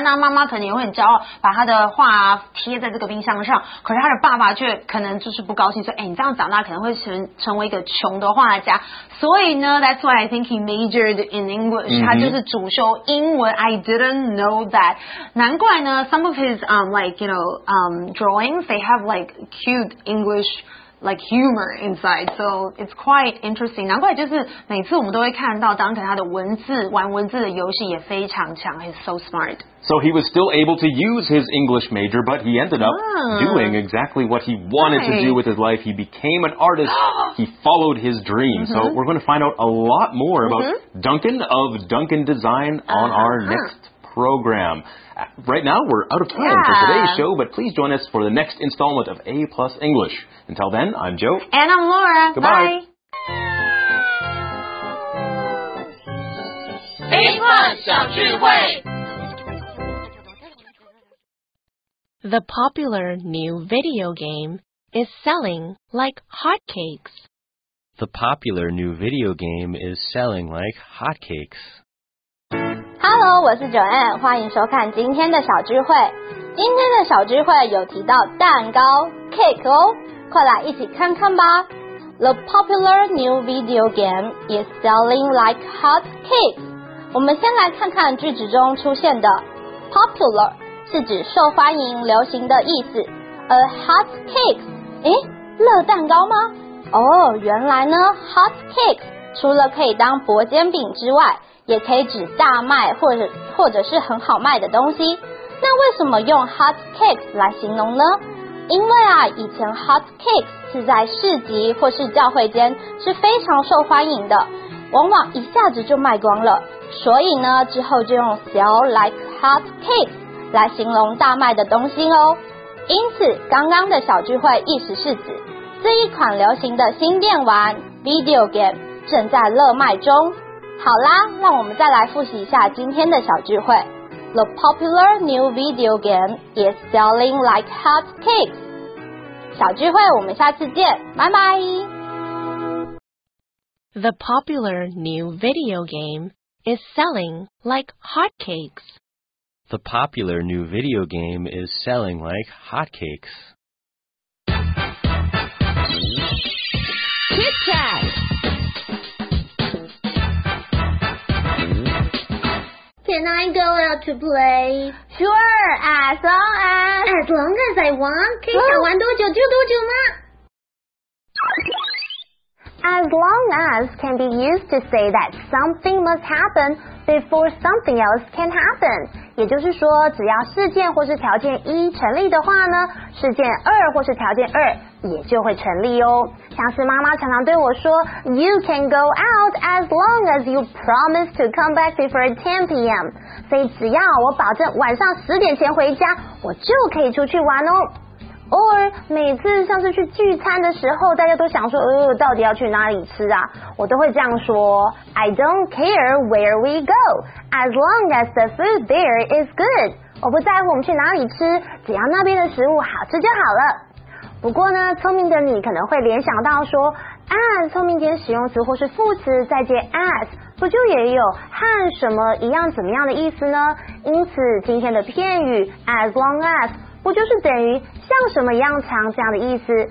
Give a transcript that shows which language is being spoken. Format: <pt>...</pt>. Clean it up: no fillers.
<zh>那妈妈可能也会很骄傲，把他的画贴在这个冰箱上。可是他的爸爸却可能就是不高兴，说：“你这样长大可能会成为一个穷的画家。” 所以呢</zh> <en>，That's why I think he majored in English.</en> <zh>他就是主修英文。</zh> <en>I didn't know that.</en> <zh>难怪呢</zh> <en>，some of his drawings they have like cute English like humor inside, so it's quite interesting.</en> <zh>难怪就是每次我们都会看到 Duncan 他的文字玩文字的游戏也非常强。</zh> <en>He's so smart. So he was still able to use his English major, but he ended up doing exactly what he wanted to do with his life. He became an artist. He followed his dream. So we're going to find out a lot more about Duncan of Duncan Design on our next program. Right now, we're out of time for today's show, but please join us for the next installment of A Plus English. Until then, I'm Joe. And I'm Laura. Goodbye.</en> <zh>A Plus 小智慧</zh> <en>The popular new video game is selling like hotcakes. The popular new video game is selling like hotcakes.</en> <zh>Hello, 我是 Joanne, 欢迎收看今天的小智慧。今天的小智慧有提到蛋糕 cake 哦，快来一起看看吧。</zh> <en>The popular new video game is selling like hot cakes.</en> <zh>我们先来看看句子中出现的 popular 是指受欢迎、流行的意思。 A hot cakes, 诶，热蛋糕吗？哦，原来呢 ，hot cakes 除了可以当薄煎饼之外，也可以指大卖或者是很好卖的东西。那为什么用 hot cakes 来形容呢？因为啊，以前 hot cakes 是在市集或是教会间是非常受欢迎的，往往一下子就卖光了。所以呢，之后就用</zh> <en>sell like hot cakes</en> <zh>来形容大卖的东西哦。因此，刚刚的小聚会意思是指这一款流行的新电玩 video game 正在热卖中。好啦，让我们再来复习一下今天的小聚会。</zh> <en>The popular new video game is selling like hot cakes.</en> <zh>小聚会，我们下次见，拜拜。</zh> <en>The popular new video game is selling like hot cakes. The popular new video game is selling like hot cakes. Kit Kat. Can I go out to play? Sure, as long as... As long as I want?</en> <zh>可以想玩多久就多久吗?</zh> <en>As long as can be used to say that something must happen before something else can happen.</en> <zh>也就是说,只要事件或是条件一成立的话呢,事件二或是条件二也就会成立哦。像是妈妈常常对我说</zh> <en>You can go out as long as you promise to come back before 10 p.m.</en> <zh>所以只要我保证晚上十点前回家，我就可以出去玩哦。 Or, 每次像是去聚餐的时候，大家都想说，到底要去哪里吃啊？我都会这样说</zh> <en>I don't care where we go, as long as the food there is good.</en> <zh>我不在乎我们去哪里吃，只要那边的食物好吃就好了。不过呢，聪明的你可能会联想到说 as 聪明点使用词或是副词再接 as 不就也有和什么一样怎么样的意思呢？因此今天的片语 as long as 不就是等于像什么一样长这样的意思？</zh>